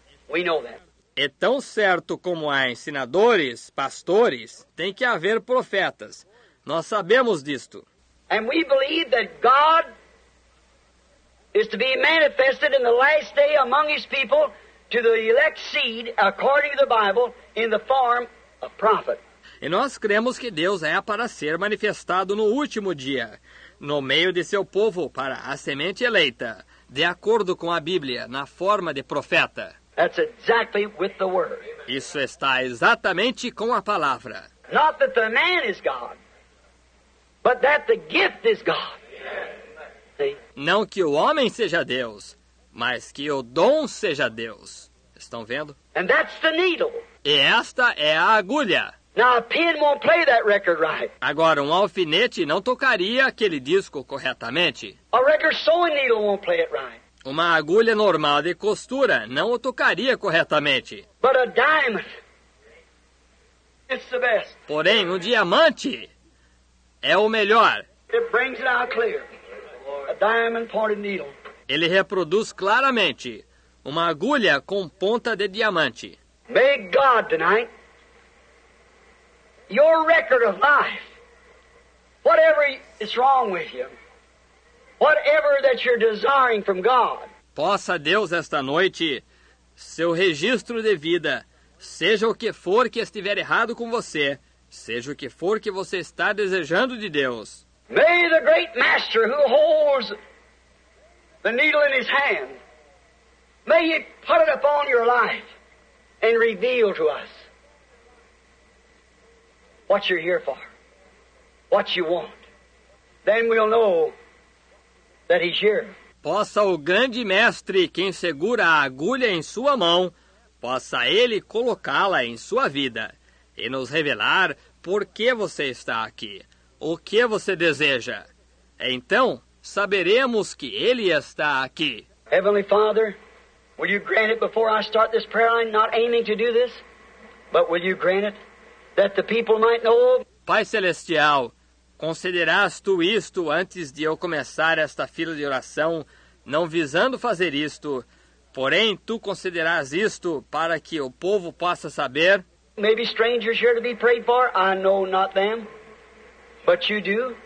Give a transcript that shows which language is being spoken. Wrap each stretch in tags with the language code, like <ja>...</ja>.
<en>We know that.</en> <pt>É tão certo como há ensinadores, pastores, tem que haver profetas. Nós sabemos disto.</pt> <en>And we believe that God is to be manifested in the last day among his people to the elect seed, according to the Bible, in the form of prophet.</en> <pt>E nós cremos que Deus é para ser manifestado no último dia, no meio de seu povo, para a semente eleita, de acordo com a Bíblia, na forma de profeta.</pt> <en>That's exactly with the word.</en> <pt>Isso está exatamente com a palavra.</pt> <en>Not that the man is God, but that the gift is God.</en> <pt>Não que o homem seja Deus, mas que o dom seja Deus. Estão vendo?</pt> <en>And that's the needle.</en> <pt>E esta é a agulha.</pt> <en>Now, a pin won't play that record right.</en> <pt>Agora, um alfinete não tocaria aquele disco corretamente.</pt> <en>A record sewing needle won't play it right.</en> <pt>Uma agulha normal de costura não o tocaria corretamente.</pt> <en>But a diamond, it's the best.</en> <pt>Porém, um diamante é o melhor.</pt> <en>It brings it out clear. A diamond pointed needle.</en> <pt>Ele reproduz claramente uma agulha com ponta de diamante.</pt> <en>May God tonight. Your record of life, whatever is wrong with you, whatever that you're desiring from God.</en> <pt>Possa Deus esta noite, seu registro de vida, seja o que for que estiver errado com você, seja o que for que você está desejando de Deus.</pt> <en>May the great master who holds the needle in his hand, may he put it upon your life and reveal to us. What you're here for, what you want, then we'll know that he's here.</en> <pt>Possa o grande mestre, quem segura a agulha em sua mão, possa ele colocá-la em sua vida e nos revelar por que você está aqui, o que você deseja. Então, saberemos que ele está aqui.</pt> <en>Heavenly Father, will you grant it before I start this prayer line, not aiming to do this, but will you grant it? That the people might know.</en> <pt>Pai Celestial, concederás tu isto antes de eu começar esta fila de oração, não visando fazer isto, porém tu concederás isto para que o povo possa saber.</pt> <en>Maybe strangers here to be prayed for, I know not them, but you do.</en>